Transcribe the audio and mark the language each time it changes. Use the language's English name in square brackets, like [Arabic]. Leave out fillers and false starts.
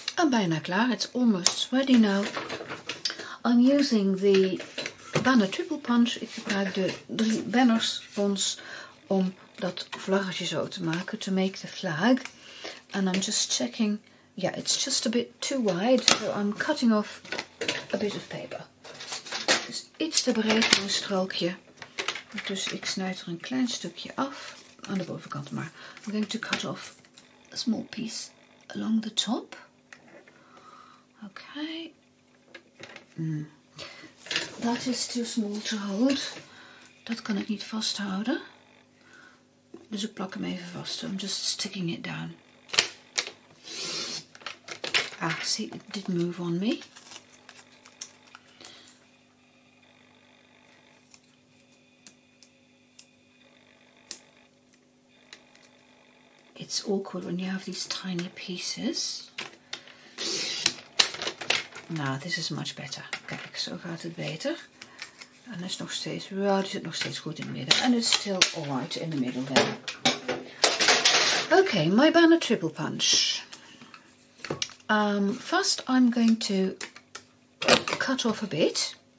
[Dutch] Bijna klaar. [English] It's almost ready now. I'm using the banner triple punch. [Dutch] Ik gebruik de drie banners fonds om dat vlaggetje zo te maken. [English] To make the flag. And I'm just checking. Yeah, it's just a bit too wide. So I'm cutting off a bit of paper. [Dutch] Het is iets te breed voor een strookje. Dus ik snijd er een klein stukje af. Aan de bovenkant maar. [English] I'm going to cut off a small piece along the top. Okay, that is too small to hold. [Dutch] Dat kan ik niet vasthouden. Dus ik plak hem even vast. [English] I'm just sticking it down. Ah, see, it did move on me. It's awkward when you have these tiny pieces. [Dutch] Nou, [English] this is much better. [Dutch] Kijk, zo gaat het beter. En is nog steeds, well, is het nog steeds goed in het midden. [English] And it's still alright in the middle there. Okay, my banner triple punch. First I'm going to cut off a bit.